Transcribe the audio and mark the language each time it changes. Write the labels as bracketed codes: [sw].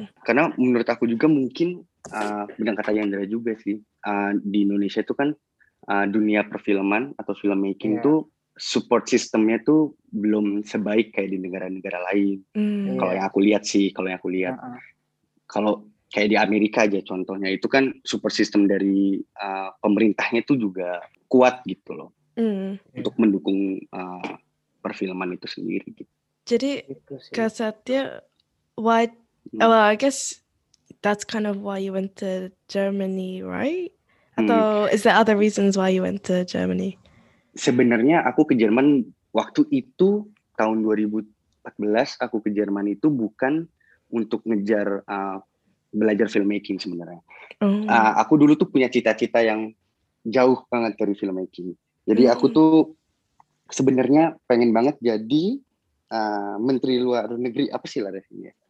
[id] karena menurut aku juga mungkin benar kata Yandra juga sih, di Indonesia itu kan dunia perfilman atau filmmaking tuh support sistemnya tuh belum sebaik kayak di negara-negara lain. Kalau yang aku lihat sih, kalau kayak di Amerika aja contohnya, itu kan super sistem dari pemerintahnya itu juga kuat gitu loh. Untuk mendukung perfilman itu sendiri gitu. [en] Jadi Kak Satya, why, well I guess that's kind of why you went to Germany, right? Atau is there other reasons why you went to Germany? [id] Sebenarnya aku ke Jerman waktu itu tahun 2014, aku ke Jerman itu bukan untuk ngejar belajar filmmaking sebenarnya. Aku dulu tuh punya cita-cita yang jauh banget dari filmmaking. Jadi aku tuh sebenarnya pengen banget jadi menteri luar negeri, apa sih larasinya?